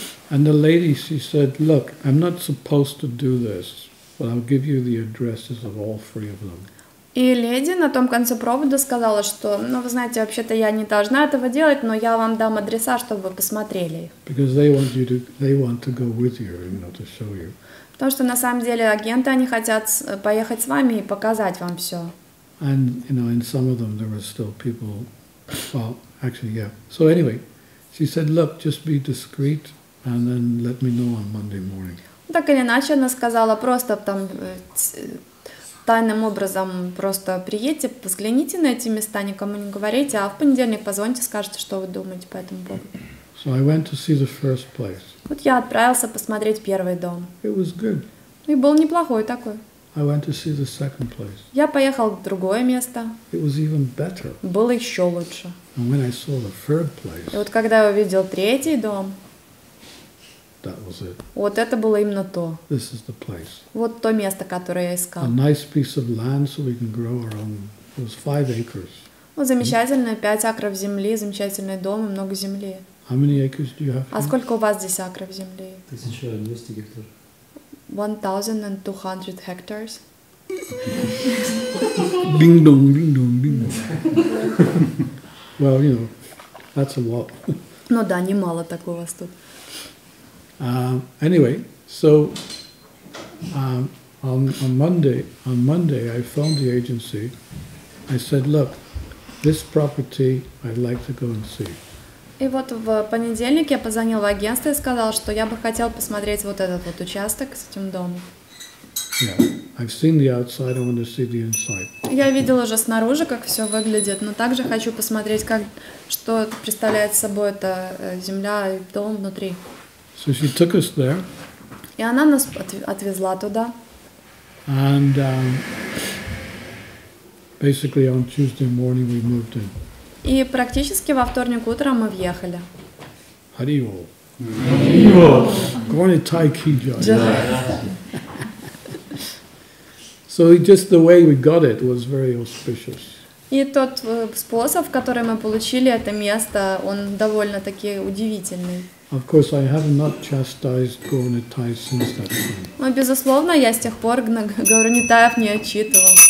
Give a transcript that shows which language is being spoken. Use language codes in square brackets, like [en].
[en] And the lady, she said, look, I'm not supposed to do this. But I'll give you the addresses of all 3 of them. [ru] И леди на том конце провода сказала, что, ну, вы знаете, вообще-то я не должна этого делать, но я вам дам адреса, чтобы вы посмотрели их. [en] Because they want to go with you, you know, to show you. [ru] Потому что на самом деле агенты, они хотят поехать с вами и показать вам все. [en] And, you know, in some of them there were still people, well, actually, yeah. So anyway, she said, look, just be discreet and then let me know on Monday morning. [ru] Так или иначе, она сказала, просто там тайным образом просто приедьте, взгляните на эти места, никому не говорите, а в понедельник позвоните, скажете, что вы думаете по этому поводу. [en] So I went to see the first place. [ru] Вот я отправился посмотреть первый дом. [en] It was good. [ru] И был неплохой такой. [en] I went to see the second place. [ru] Я поехал в другое место. [en] It was even better. [ru] Было еще лучше. [en] And when I saw the third place. [ru] И вот когда я увидел третий дом. [en] That was it. [ru] Вот это было именно то. [en] This is the place. [ru] Вот то место, которое я искал. [en] A nice piece of land so we can grow our own. It was 5 acres. [ru] Вот замечательное, 5 акров земли, замечательный дом и много земли. [en] How many acres do you have? [ru] А сколько у вас здесь акров земли? 1200 гектар. [en] 1200 hectares. Ding dong, ding dong, ding dong. Well, you know, that's a lot. [ru] Ну да, немало такого у вас тут. [en] Anyway, so on Monday I phoned the agency. I said, look, this property I'd like to go and see. [ru] И вот в понедельник я позвонил в агентство и сказал, что я бы хотел посмотреть вот этот вот участок с этим домом. [en] Yeah, I've seen the outside, I want to see the inside. [ru] Я видел уже снаружи, как все выглядит, но также хочу посмотреть, как, что представляет собой эта земля и дом внутри. [en] So she took us there. [ru] И она нас отвезла туда. [en] And basically on Tuesday morning we moved in. [ru] И практически во вторник утром мы въехали. Хариво. Хариво. [en] Going to Taikijo. Yeah. So just the way we got it was very auspicious. [ru] И тот способ, который мы получили это место, он довольно-таки удивительный. [en] Of course, I have not chastised Gornitai since that time. [ru] Ну, безусловно, я с тех пор Горнитаев не отчитывал.